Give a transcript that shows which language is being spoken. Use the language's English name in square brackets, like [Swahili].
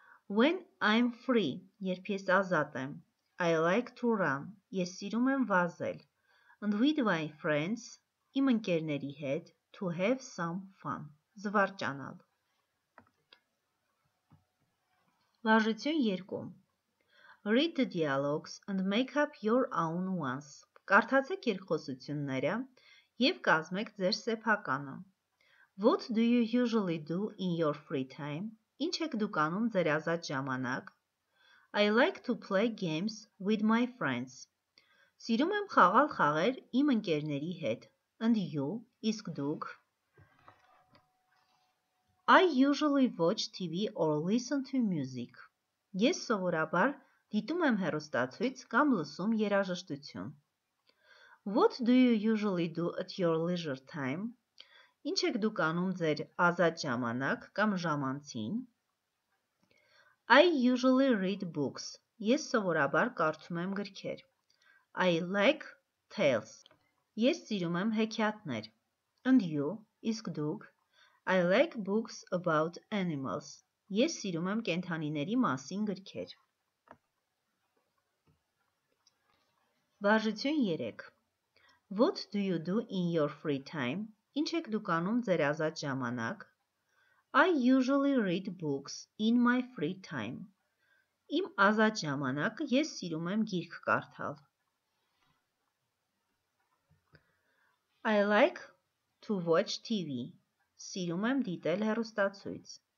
[English] When I'm free, [Armenian] երբ ես ազատ եմ, [English] I like to run, [Armenian] ես սիրում եմ վազել, [English] and with my friends, [Armenian] իմ ընկերների հետ, [English] to have some fun, [Armenian] զվարճանալ. Վարժություն 2. [English] Read the dialogues and make up your own ones. [Armenian] Կարդացեք երկխոսությունները և կազմեք ձեր սեփականը. [English] What do you usually do in your free time? [Armenian] Ինչ եք դուք անում ձեր ազատ ժամանակ? [English] I like to play games with my friends. [Armenian] Սիրում եմ խաղալ խաղեր իմ ընկերների հետ. [English] And you, [Armenian] իսկ դուք? [English] I usually watch TV or listen to music. [Armenian] Ես սովորաբար դիտում եմ հեռուստացույց կամ լսում երաժշտություն. [English] What do you usually do at your leisure time? [Armenian] Ինչ եք դուք անում ձեր ազատ ժամանակ կամ ժամանցին? [English] I usually read books. [Armenian] Ես սովորաբար կարդում եմ գրքեր. [English] I like tales. [Armenian] Ես սիրում եմ հեքիաթներ. [English] And you, [Armenian] իսկ դուք? [English] I like books about animals. [Armenian] Ես սիրում եմ կենդանիների մասին գրքեր. Վարժություն 3. [English] What do you do in your free time? [Armenian] Ինչ եք դուք անում ձեր ազատ ժամանակ? [English] I usually read books in my free time. [Armenian] Իմ ազատ ժամանակ ես սիրում եմ գիրք կարդալ. [English] I like to watch TV. [Armenian] Սիրում եմ դիտել հեռուստացույց.